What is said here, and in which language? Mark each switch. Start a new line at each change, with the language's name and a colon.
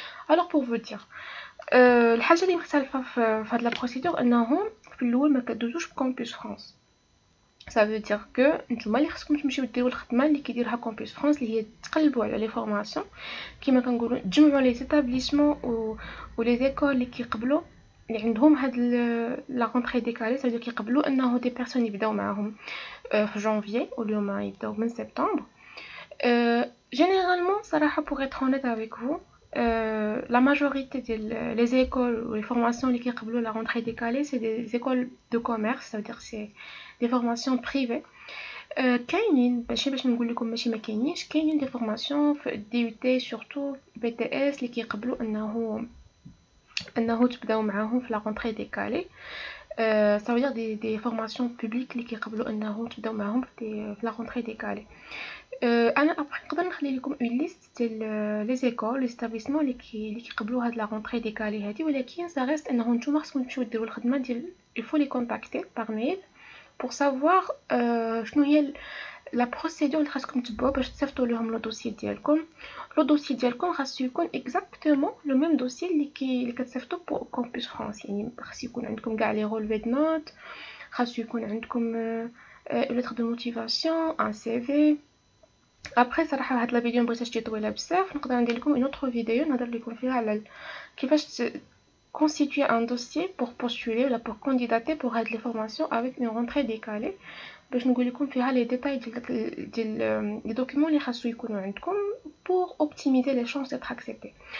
French: alors pour vous dire
Arabic: الحاجه اللي مختلفه في هاد لا بروسيدور انه في الاول ما كدوزوش بكامبوس فرانس، سا فو دير كو نتوما اللي خصكم تمشيو ديروا الخدمه اللي كيديرها كامبوس فرانس اللي هي تقلبوا على لي فورماسيون كيما كنقولوا تجمعوا لي ستابليسمون و لي زيكول اللي كيقبلوا اللي عندهم هاد لا رونتري ديكالي، سا دير كيقبلوا انه دي بيرسون يبداو معاهم في جانفي او اليوم يبداو من سبتمبر. جينيرالمون صراحه بوغ اتر اونيت افيك فو
French: la majorité des les écoles ou les formations qui
Arabic: قبلوا
French: la rentrée décalée, c'est des écoles de commerce, c'est-à-dire c'est des formations privées.
Arabic: Kainin, باش نقول لكم ماشي ما كاينينش, كاينين دي فورماسيون في دي يو تي سورتو بي تي اس اللي كيقبلوا انه تبداو معاهم في لا رونتري ديكالي. سواء دي فورماسيون بوبليك اللي كيقبلوا انه تبداو معاهم في لا رونتري ديكالي. انا ابغي نقدر نخلي لكم اون ليست ديال لي زيكول لي ستابليسمون اللي كيقبلوا هاد لا رونتري ديكالي هادي, ولكن سا ريست انه نتوما خصكم تمشيو ديروا الخدمه ديال الفو لي كونتاكتي باغ ميل
French: pour savoir
Arabic: شنو هي la procédure اللي خاصكم تبعوا باش تصيفطوا لهم لو دوسي ديالكم. لو دوسي ديالكم خاص يكون اكزاكتومون لو ميم دوسي اللي كتصيفطوا بو كومبيس فرانس, يعني خاص يكون عندكم كاع لي رولفي دو نوت, خاص يكون عندكم لتر دو موتيفاسيون, ان سي في. ابري صراحه هاد لا فيديو مبغيتهاش طويله بزاف, نقدر ندير لكم اون اوتر فيديو نهضر لكم فيها على كيفاش
French: constituer un dossier pour postuler ou pour candidater pour être les formations avec une rentrée décalée. Je vais vous donner les détails des documents que vous avez pour optimiser les chances d'être accepté.